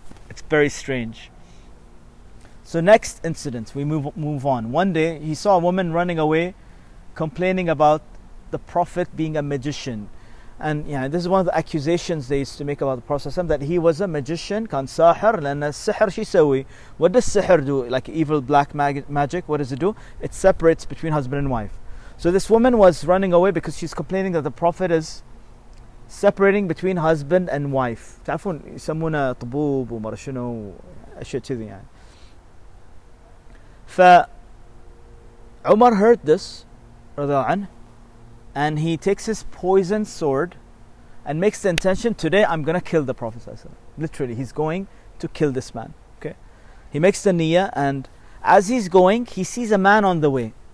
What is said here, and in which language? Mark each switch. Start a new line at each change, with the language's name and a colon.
English: It's very strange. So next incident, we move on. One day, he saw a woman running away, complaining about the Prophet being a magician. And this is one of the accusations they used to make about the Prophet ﷺ, that he was a magician.
Arabic: كان ساحر لأن السحر شي سوي.
English: What does sihr do? Like evil black magic, what does it do? It separates between husband and wife. So this woman was running away because she's complaining that the Prophet is separating between husband and wife.
Arabic: تعرفون يسمونه طبوب وما أدري شنو أشياء كذي يعني.
English: فعمر heard this
Arabic: رضي الله عنه,
English: and he takes his poison sword and makes the intention, today I'm gonna kill the Prophet. Literally, he's going to kill this man. Okay, he makes the niyyah, and as he's going, he sees a man on the way.